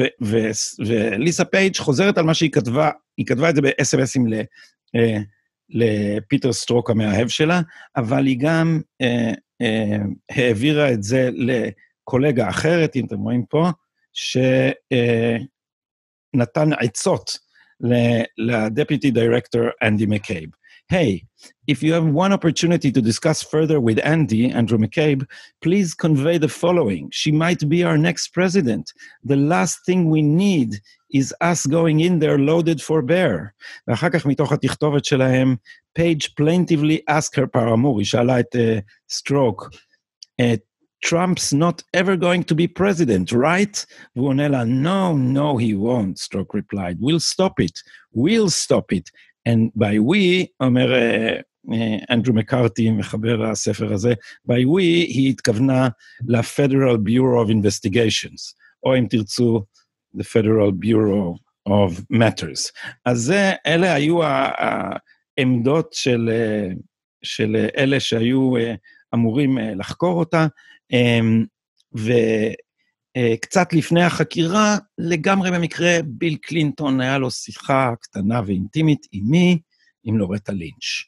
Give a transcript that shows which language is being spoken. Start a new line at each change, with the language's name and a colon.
Hebrew: וליסה פייג' חוזרת על מה שהיא כתבה, היא כתבה את זה ב-SMS'ים לפיטר סטרוק המאהב שלה, אבל היא גם העבירה את זה לקולגה אחרת, אם אתם רואים פה, שנתן עצות לדפיטי דירקטור אנדי מקייב.
English: Hey, if you have one opportunity to discuss further with Andy, Andrew McCabe, please convey the following. She might be our next president. The last thing we need is us going in there loaded for bear.
Hebrew: ואחר כך מתוך התכתובת שלהם,
English: Page plaintively asked her paramour,
Hebrew: היא שאלה את
English: Stroke, Trump's not ever going to be president, right? Vunella, no, he won't, Stroke replied. We'll stop it. And by we,
Hebrew: אומר אנדרו מקארתי, מחבר הספר הזה,
English: by we,
Hebrew: היא התכוונה ל-
English: Federal Bureau of Investigations,
Hebrew: או אם תרצו,
English: the Federal Bureau of Matters.
Hebrew: אז זה, אלה היו העמדות של אלה שהיו אמורים לחקור אותה, וקצת לפני החקירה, לגמרי במקרה, ביל קלינטון היה לו שיחה קטנה ואינטימית עם מי? עם לורטה לינץ'.